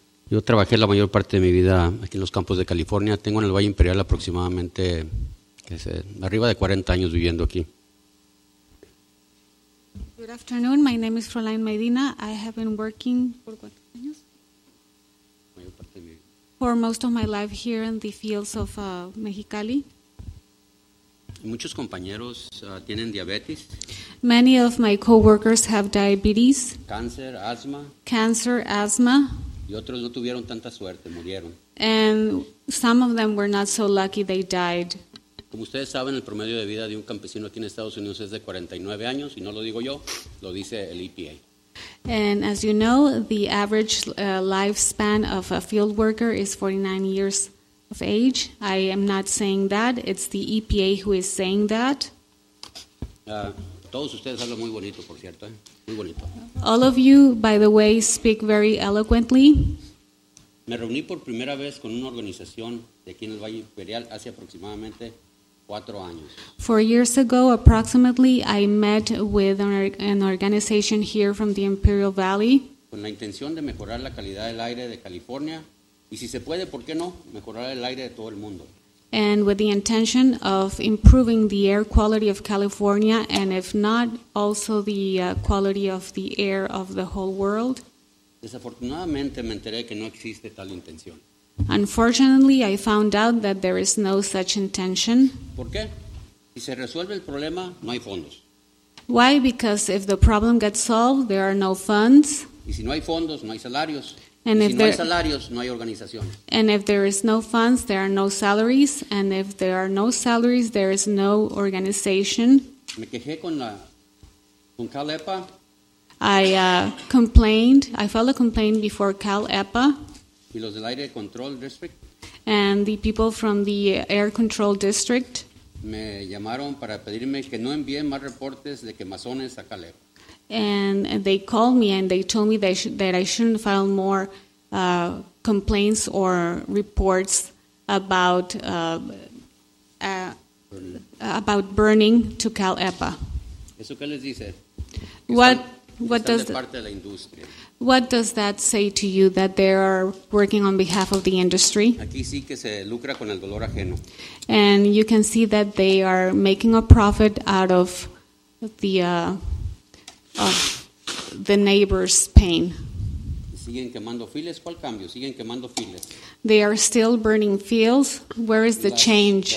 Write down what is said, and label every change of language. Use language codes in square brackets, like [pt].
[es] Yo trabajé la mayor parte de mi vida aquí en los campos de California. Tengo en el Valle Imperial aproximadamente arriba de 40 años viviendo aquí. [en] Good afternoon. My name is Froilán Medina. I have been working for most of my life here in the fields of Mexicali. [es] Muchos compañeros tienen diabetes. [en] Many of my coworkers have diabetes. [es] Cáncer, asma. [en] Cancer, asthma. [es] Y otros no tuvieron tanta suerte, murieron. [en] And some of them were not so lucky, they died. [es] Como ustedes saben, el promedio de vida de un campesino aquí en Estados Unidos es de 49 años, y no lo digo yo, lo dice el EPA. [en] And as you know, the average lifespan of a field worker is 49 years. Of age. I am not saying that. It's the EPA who is saying that. [es] Todos ustedes hablan muy bonito, por cierto, ¿eh? Muy bonito. [en] All of you, by the way, speak very eloquently. [es] Me reuní por primera vez con una organización de aquí en el Valle Imperial hace aproximadamente 4 años. [en] 4 years ago, approximately, I met with an organization here from the Imperial Valley. [es] Con la intención de mejorar la calidad del aire de California. Y si se puede, ¿por qué no? Mejorar el aire de todo el mundo. [en] And with the intention of improving the air quality of California, and if not, also the quality of the air of the whole world. [es] Desafortunadamente me enteré que no existe tal intención. [en] Unfortunately, I found out that there is no such intention. [es] ¿Por qué? Si se resuelve el problema, no hay fondos. [en] Why? Because if the problem gets solved, there are no funds. [es] Y si no hay fondos, no hay salarios. [en] And if, there, [es] no hay salarios, no hay organización. [en] And if there is no funds, there are no salaries. And if there are no salaries, there is no organization. [es] Me quejé con la, con Cal EPA. [en] I filed a complaint before Cal EPA. [es] Y los del aire control district. [en] And the people from the air control district. [es] Me llamaron para pedirme que no envíe más reportes de quemazones a Cal EPA. [en] And they called me and they told me that I shouldn't file more complaints or reports about burning to Cal EPA. [es] ¿Eso qué les dice? [en] What does that say to you, that they are working on behalf of the industry? [es] Aquí sí que se lucra con el dolor ajeno. [en] And you can see that they are making a profit out of the neighbor's pain. [es] ¿Siguen quemando files? ¿Cuál cambio? ¿Siguen quemando files? [en] They are still burning fields. Where is the change?